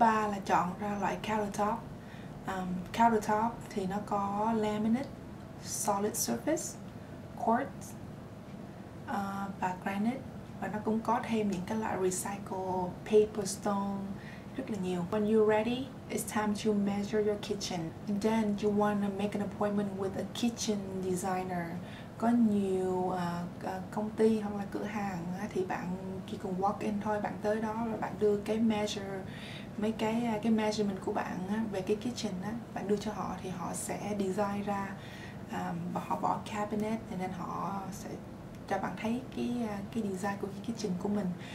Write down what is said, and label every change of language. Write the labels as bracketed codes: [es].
[vi] Ba là chọn ra loại countertop. Countertop thì nó có laminate, solid surface, quartz và granite, và nó cũng có thêm những cái loại recycled paper stone rất là nhiều. [en] When you're ready, it's time to measure your kitchen. And then you want to make an appointment with a kitchen designer. [vi] Có nhiều công ty hoặc là cửa hàng thì bạn chỉ cần walk in thôi, bạn tới đó và bạn đưa cái measure, mấy cái measurement của bạn về cái kitchen á, bạn đưa cho họ thì họ sẽ design ra và họ bỏ cabinet nên họ sẽ cho bạn thấy cái design của cái kitchen của mình.